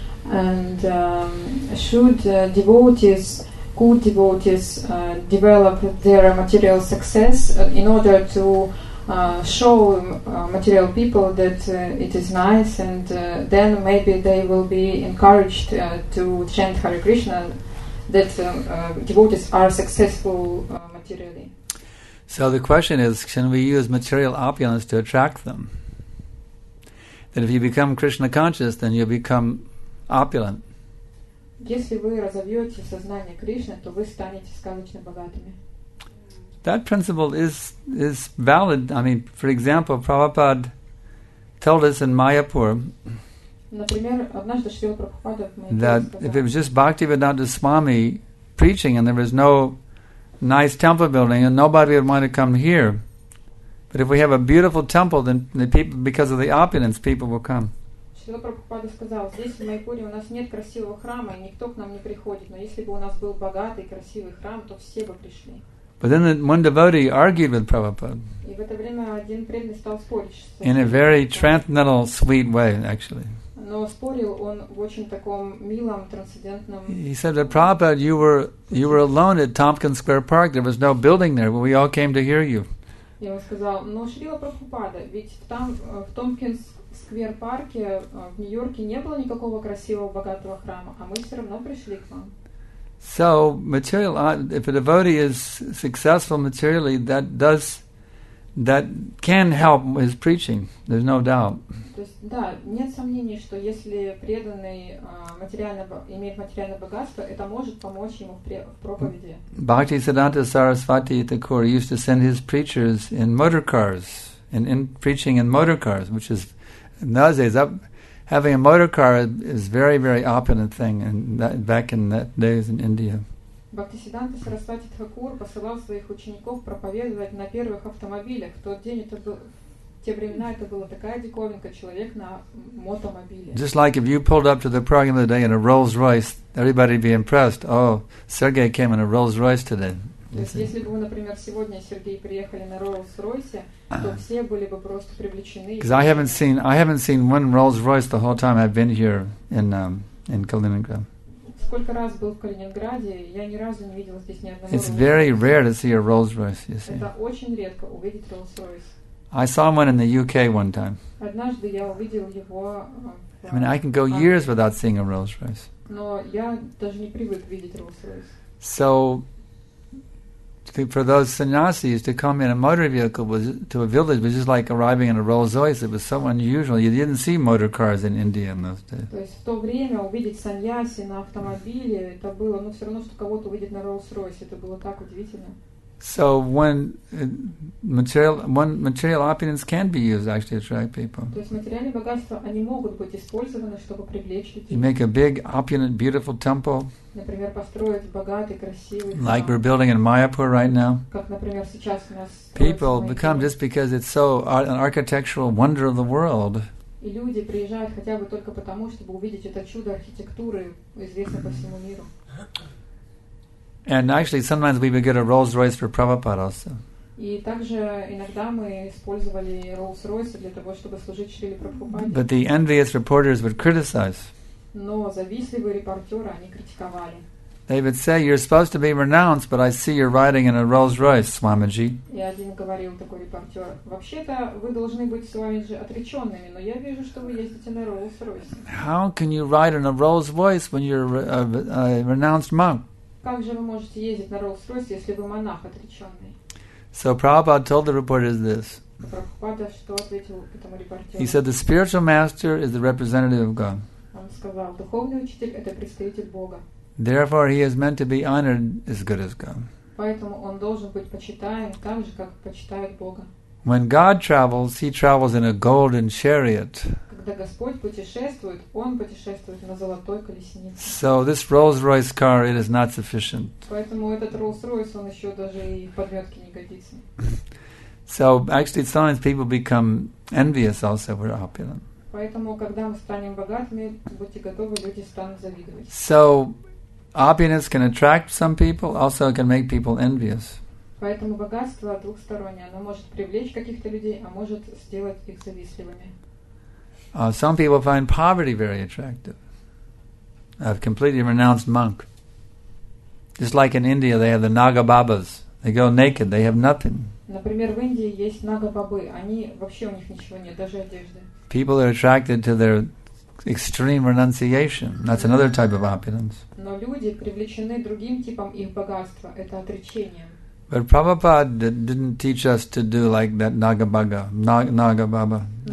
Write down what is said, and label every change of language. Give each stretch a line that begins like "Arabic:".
English: And could devotees develop their material success in order to show material people that it is nice, and then maybe they will be encouraged to chant Hare Krishna, that devotees are successful materially. So the question is, can we use material opulence to attract them? That if you become Krishna conscious, then you become opulent.
Russian: Если вы разовьете сознание Кришны, то вы станете сказочно богатыми.
English: That principle is valid. I mean, for example, Prabhupada told us in Mayapur, that if it was just Bhaktivedanta Swami preaching and there was no nice temple building, and nobody would want to come here. But if we have a beautiful temple, then the people, because of the opulence, people will come.
Russian: Шрила Прабхупада сказал, здесь, в Майпуре, у нас нет красивого храма, и никто к нам не приходит. Но если бы у нас был богатый, красивый храм, то все бы пришли.
English: But then one devotee argued with Prabhupada.
Russian: И в это время один преданный стал спорить.
English: In a very transcendental, sweet way, actually.
Russian: Но спорил он в очень таком милом, трансцендентном...
English: He said that, Prabhupada, you were alone at Tompkins Square Park. There was no building there, but we all came to hear you.
Russian: И он сказал, но Шрила Прабхупада, ведь там, в Tompkins Square Park, в Нью-Йорке, не было никакого красивого, богатого храма, а мы все равно пришли к вам.
English: So, material, if a devotee is successful materially, that does that can help his preaching. There's no doubt.
Russian: То есть, да, нет сомнений, что если преданный материально имеет материальное богатство, это может помочь ему в проповеди.
English: Bhakti Siddhanta Sarasvati Thakur used to send his preachers in motor cars, in preaching in motor cars, which is nowadays up. Having a motor car is very, very opulent thing in that, back in that days in India.
Russian: Bhaktisiddhanta Sarasvati Thakur посылал своих учеников проповедовать на первых автомобилях. В тот день это был, в те времена это была такая диковинка, человек на мотомобиле.
English: Just like if you pulled up to the program today in a Rolls Royce, everybody would be impressed. Oh, Sergei came in a Rolls Royce today.
Russian: Если бы, например, сегодня Сергей приехали на Rolls-Royce, то все были бы просто привлечены.
English: Because I haven't seen one Rolls-Royce the whole time I've been here in Kaliningrad.
Russian: Сколько раз был в Калининграде, я ни разу не видел здесь ни одного.
English: It's very rare to see a Rolls-Royce, you see.
Russian: Это очень редко увидеть Rolls-Royce.
English: I saw one in the UK one time.
Russian: Однажды я увидел его.
English: I mean, I can go years without seeing a Rolls-Royce.
Russian: Но я даже не привык видеть Rolls-Royce.
English: So for those sannyasis to come in a motor vehicle was to a village was just like arriving in a Rolls Royce. It was so unusual. You didn't see motor cars in India in those days.
Russian: То есть в то время увидеть саньяси на автомобиле это было, но все равно что кого-то увидеть на Rolls Royce это было так удивительно.
English: So when material opulence can be used actually to attract people.
Russian: То есть материальные богатства они могут быть использованы, чтобы привлечь людей.
English: You make a big, opulent, beautiful temple.
Russian: Например, построить богатый, красивый храм.
English: Like we're building in Mayapur right now.
Russian: Как, например, сейчас у нас.
English: People become just because it's so an architectural wonder of the world.
Russian: И люди приезжают хотя бы только потому, чтобы увидеть это чудо архитектуры, известное по всему миру.
English: And actually, sometimes we would get a Rolls-Royce for Prabhupada also.
Russian: И также иногда мы использовали Rolls-Royce для того, чтобы служить Шриле Прабхупаде.
English: But the envious reporters would criticize.
Russian: Но завистливые репортеры, они критиковали.
English: They would say, you're supposed to be renounced, but I see you're riding in a Rolls-Royce, Swamiji.
Russian: И один говорил такой репортер, вообще-то вы должны быть Swamiji отреченными, но я вижу, что вы ездите на Rolls-Royce.
English: How can you ride in a Rolls-Royce when you're a renounced monk?
Russian: Как же вы можете ездить на Rolls-Royce, если вы монах отреченный?
English: So Prabhupada told the reporters this.
Russian: Прабхупада что ответил этому репортеру?
English: He said, the spiritual master is the representative of God.
Russian: Он сказал, духовный учитель – это представитель Бога.
English: Therefore, he is meant to be honored as good as God.
Russian: Поэтому он должен быть почитаем так же, как почитает Бога.
English: When God travels, he travels in a golden chariot.
Russian: Когда Господь путешествует, Он путешествует на золотой колеснице.
English: So this Rolls-Royce car, it is not sufficient.
Russian: Поэтому этот Rolls-Royce, он еще даже и в подметке не годится.
English: So actually, sometimes people become envious also if we're opulent.
Russian: Поэтому, когда мы станем богатыми, будьте готовы, люди станут завидовать.
English: So opulence can attract some people, also it can make people envious.
Russian: Поэтому богатство двухстороннее, оно может привлечь каких-то людей, а может сделать их завистливыми.
English: Some people find poverty very attractive. A completely renounced monk. Just like in India, they have the Naga Babas. They go naked, they have nothing.
Russian: Например, в Индии есть Нага Бабы. Они вообще, у них ничего нет, даже одежды.
English: People are attracted to their extreme renunciation. That's another type of opulence.
Russian: Но люди привлечены другим типом их богатства. Это отречение.
English: But Prabhupada didn't teach us to do like that Nagabaga, Nagababa.